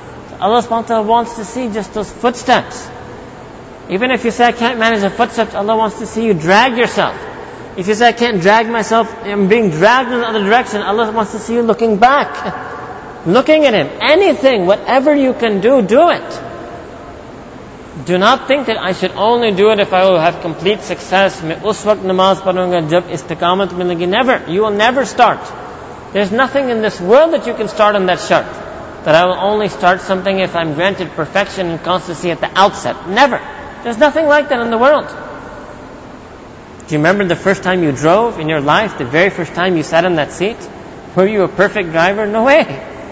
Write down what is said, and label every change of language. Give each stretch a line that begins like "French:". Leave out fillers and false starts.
English: So Allah subhanahu wa ta'ala wants to see just those footsteps. Even if you say, I can't manage the footsteps, Allah wants to see you drag yourself. If you say, I can't drag myself, I'm being dragged in the other direction, Allah wants to see you looking back. Looking at Him, anything, whatever you can do, do it. Do not think that I should only do it if I will have complete success.
Urdu: میں اس وقت نماز پڑھوں گا جب استقامت ملے گی۔
English: Never. You will never start. There's nothing in this world that you can start on that shart. That I will only start something if I'm granted perfection and constancy at the outset. Never. There's nothing like that in the world. Do you remember the first time you drove in your life? The very first time you sat in that seat? Were you a perfect driver? No way.